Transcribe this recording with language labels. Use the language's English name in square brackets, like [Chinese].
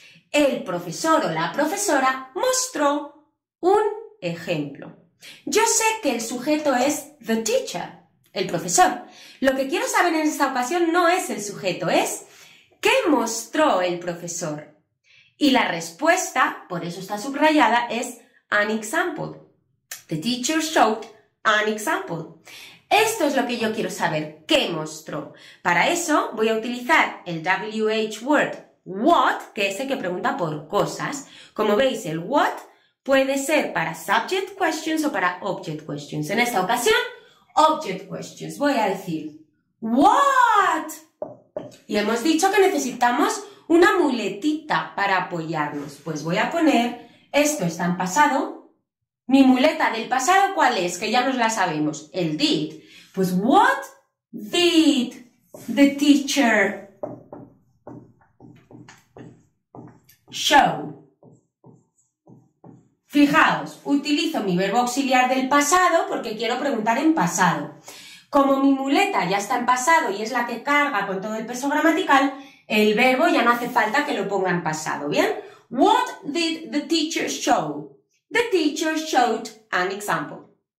[Spanish] El profesor o la profesora mostró un ejemplo. Yo sé que el sujeto es [English] the teacher, [Spanish] el profesor. Lo que quiero saber en esta ocasión no es el sujeto, es qué mostró el profesor. Y la respuesta, por eso está subrayada, es [English] an example. The teacher showed an example. [Spanish] Esto es lo que yo quiero saber, ¿qué mostró? Para eso voy a utilizar el WH word what, que es el que pregunta por cosas. Como veis, el what puede ser para [English] subject questions [Spanish] o para [English] object questions. [Spanish] En esta ocasión, [English] object questions. [Spanish] Voy a decir, what? Y hemos dicho que necesitamos una muletita para apoyarnos. Pues voy a poner, esto está en pasado. Mi muleta del pasado, ¿cuál es? Que ya nos la sabemos. El did. [English] Pues, what did the teacher show? [Spanish] Fijaos, utilizo mi verbo auxiliar del pasado porque quiero preguntar en pasado. Como mi muleta ya está en pasado y es la que carga con todo el peso gramatical, el verbo ya no hace falta que lo ponga en pasado, ¿bien? [English] What did the teacher show? The teacher showed an example.